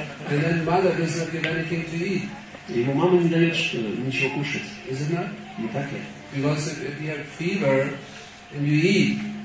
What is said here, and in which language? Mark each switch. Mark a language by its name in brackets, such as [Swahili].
[English] And then mother does not give anything to eat. [Russian] Ему мама не дает ничего кушать. [English] Is it not? [Russian] Не так ли? [English] Because if you have fever and you eat,